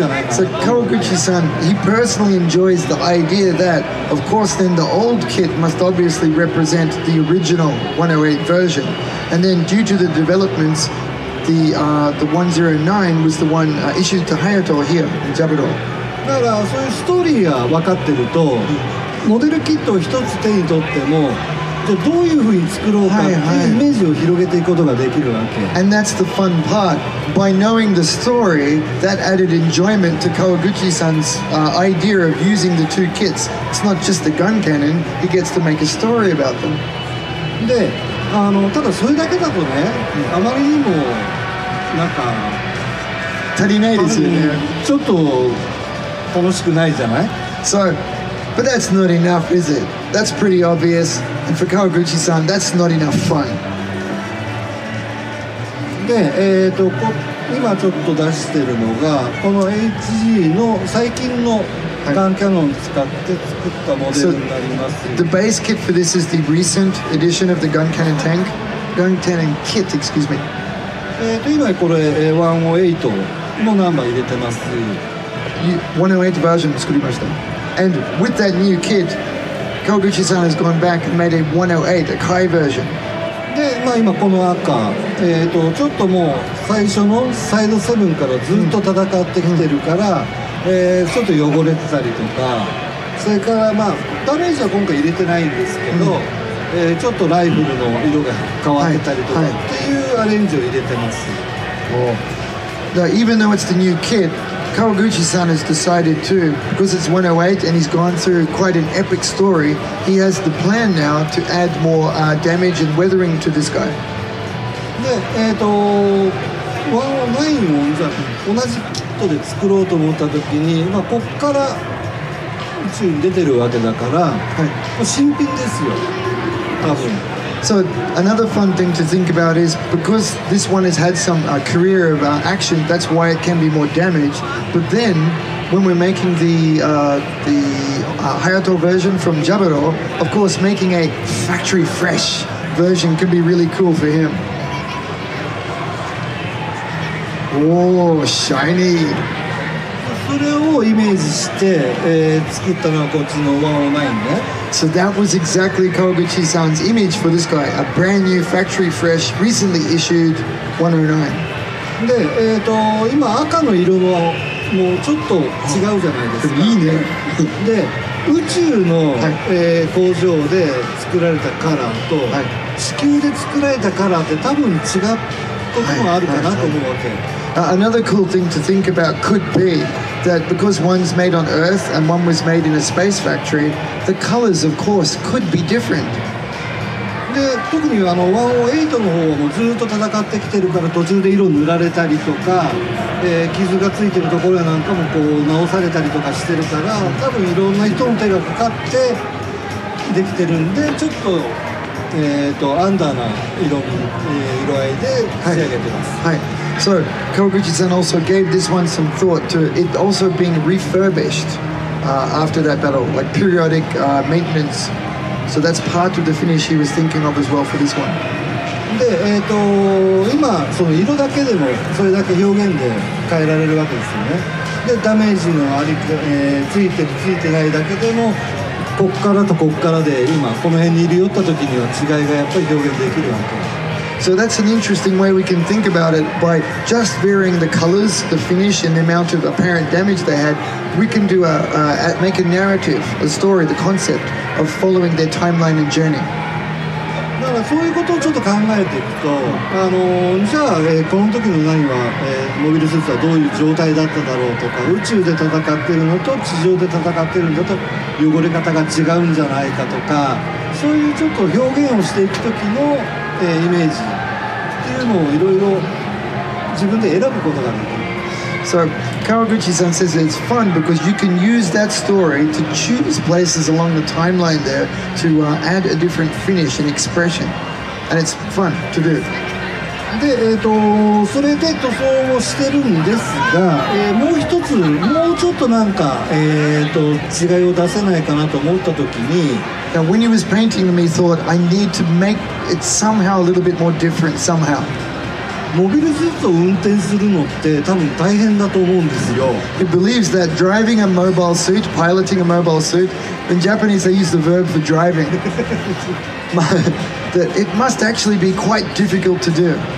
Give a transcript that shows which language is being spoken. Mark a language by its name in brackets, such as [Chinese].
[English] So Kawaguchi-san, he personally enjoys the idea that, of course, then the old kit must obviously represent the original 108 version, and then due to the developments, the 109 was the one issued to Hayato here in Jaburo. [Japanese] だからそういうストーリーが分かってると、モデルキットを一つ手に取っても。どういうふうに作ろうかっていうイメージを広げていくことができるわけ。 [English] And that's the fun part. By knowing the story, that added enjoyment to Kawaguchi-san's idea of using the two kits. It's not just the gun cannon. He gets to make a story about them. [Japanese] で、ただそれだけだとね、あまりにもなんか足りないですよね。ちょっと楽しくないじゃない [English] ？So, but that's not enough, is it? That's pretty obvious. And for Kawaguchi-san, that's not enough fun. [Japanese] で、今ちょっと出してるのが、この HG の最近のガンキャノン使って作ったモデルになります。 [English] So, the base kit for this is the recent edition of the Gun Cannon Tank. Gun Cannon Kit, excuse me. [Japanese] 今これ、108のナンバー入れてます。 108 version 作りました。 [English] And with that new kit,Kawaguchi-san has gone back and made a 108, a Kai version. [Japanese] で、まあ今この赤、ちょっともう最初のサイド7からずっと戦ってきてるから、ちょっと汚れてたりとか、それからまあダメージは今回入れてないんですけど、ちょっとライフルの色が変わってたりとかっていうアレンジを入れてます。だから [English] even though it's the new kit,Kawaguchi-san has decided too, because it's 108 and he's gone through quite an epic story, he has the plan now to add more damage and weathering to this guy. [Japanese] で、109を同じキットで作ろうと思った時に、まあ、こっから宇宙に出てるわけだから、はい、新品ですよ、多分。 [English] So another fun thing to think about is because this one has had some career of action, that's why it can be more damaged. But then, when we're making the Hayato version from Jaburo, of course, making a factory fresh version could be really cool for him. Oh, shiny! [Japanese] それをイメージして、作ったのはこっちの109ね。 [English] So that was exactly Kawaguchi-san's image for this guy, a brand new factory fresh, recently issued 109. [Japanese] で、今赤の色はもうちょっと違うじゃないですか。いいね。で、宇宙の、はい工場で作られたカラーと、はい、地球で作られたカラーって多分違うこともあるかな、はいはいはい、と思うわけ。 [English] Another cool thing to think about could be that because one's made on Earth and one was made in a space factory, the colors, of course, could be different. [Japanese] で、特にあの108の方もずっと戦ってきてるから途中で色塗られたりとか、傷がついてるところなんかもこう直されたりとかしてるから、多分いろんな人の手がかかってできてるんで、ちょっと、アンダーな 色合いで仕上げてます。はい。はい [English] So, Kawaguchi-san also gave this one some thought to it also being refurbished after that battle, like periodic maintenance. So that's part of the finish he was thinking of as well for this one. [Japanese] で、今、その色だけでも、それだけ表現で変えられるわけですよね。で、ダメージのあり、ついてる、ついてないだけでも、こっからとこっからで今、この辺に入り寄った時には違いがやっぱり表現できるわけ。 [English] So that's an interesting way we can think about it. By just varying the colors, the finish, and the amount of apparent damage they had, we can do make a narrative, a story, the concept of following their timeline and journey. [Japanese] だからそういうことをちょっと考えていくと、じゃあ、この時の何は、モビルスーツはどういう状態だっただろうとか、宇宙で戦ってるのと地上で戦ってるんだと汚れ方が違うんじゃないかとか、そういうちょっと表現をしていく時の、イメージっていうのをいろいろ自分で選ぶことができる。 [English] So Kawaguchi-san says it's fun because you can use that story to choose places along the timeline there to add a different finish and expression, and it's fun to do. [Japanese] で、それで塗装をしてるんですが、もう一つ、もうちょっとなんか、違いを出せないかなと思った時に、 [English] Now, when he was painting them, he thought, I need to make it somehow a little bit more different somehow. [Japanese] モビルスーツを運転するのって多分大変だと思うんですよ。 [English] He believes that driving a mobile suit, piloting a mobile suit, in Japanese they use the verb for driving, that it must actually be quite difficult to do.